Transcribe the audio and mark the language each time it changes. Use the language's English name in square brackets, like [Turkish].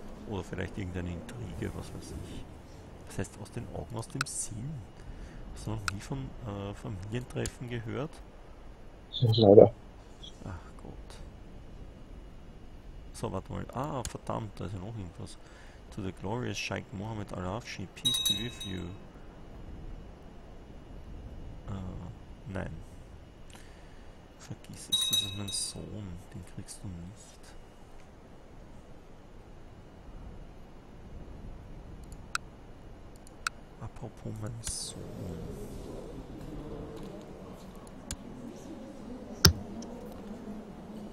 [German] Oder vielleicht irgendeine Intrige, was weiß ich. Das heißt aus den Augen, aus dem Sinn. Hast du noch nie von Familientreffen gehört? Leider. Ach Gott. So, warte mal. Ah, verdammt, da ist ja noch irgendwas. [English] To the glorious Sheikh Mohammed Al Afshi, peace be with you. [German] Nein. Vergiss es, das ist mein Sohn, den kriegst du nicht. Apropos mein Sohn.